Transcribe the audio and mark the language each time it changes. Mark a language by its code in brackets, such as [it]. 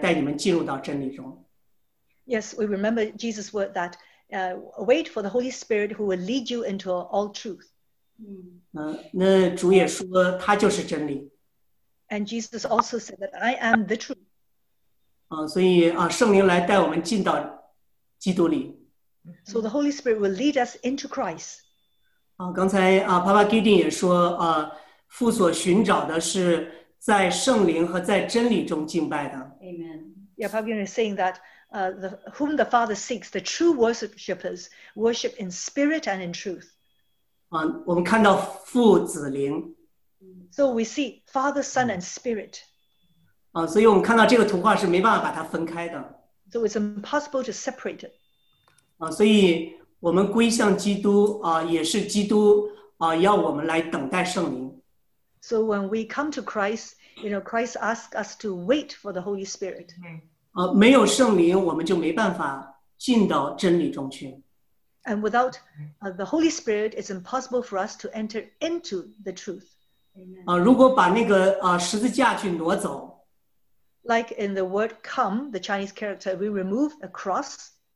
[zh] 对，然后主对我们说，你们要等圣灵来带你们进入到真理中。 [en] Yes, we remember Jesus' word that wait for the Holy Spirit who will lead you into all truth. [zh] 那主也说他就是真理。 [en] And Jesus also said that I am the truth. [zh] 所以圣灵来带我们进到基督里。 [en] So the Holy Spirit will lead us into Christ. [zh] 刚才Papa Gideon 也说 父所寻找的是在圣灵和在真理中敬拜的。 [en] Amen. Yeah, Papa is saying that whom the Father seeks, the true worshippers worship in spirit and in truth. [zh] 我们看到父子灵。 [en] So we see Father, Son, and Spirit. [zh] 所以我们看到这个图画是没办法把它分开的。 [en] So it's impossible to separate it. [zh] 所以我们归向基督, 也是基督, 要我们来等待圣灵。 [en] So when we come to Christ, you know, Christ asks us to wait for the Holy Spirit. [zh] 没有圣灵，我们就没办法进到真理中去。 [en] And without the Holy Spirit, it's impossible for us to enter into the truth. [zh] 如果把那个 十字架去挪走, [en] like in the word come, the Chinese character, we remove a cross.